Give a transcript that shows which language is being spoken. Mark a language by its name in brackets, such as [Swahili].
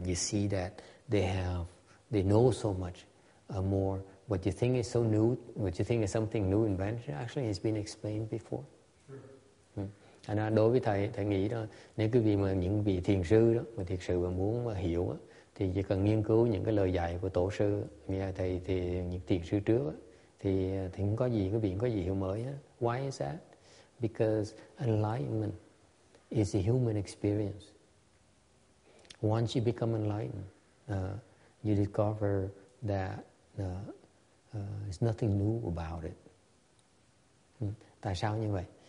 [English] You see that they know so much more. What you think is so new, what you think is something new invention, actually has been explained before. [Vietnamese] Anh đối với thầy nghĩ đó, nếu quý vị mà những vị thiền sư đó mà thiệt sự mà muốn mà hiểu đó, thì chỉ cần nghiên cứu những cái lời dạy của tổ sư, nghe thầy thì những thiền sư trước đó, thì không có gì, quý vị không có gì hiểu mới đó. [English] Why is that? Because enlightenment is a human experience. Once you become enlightened, you discover that there's nothing new about it. [Vietnamese] Tại sao như vậy?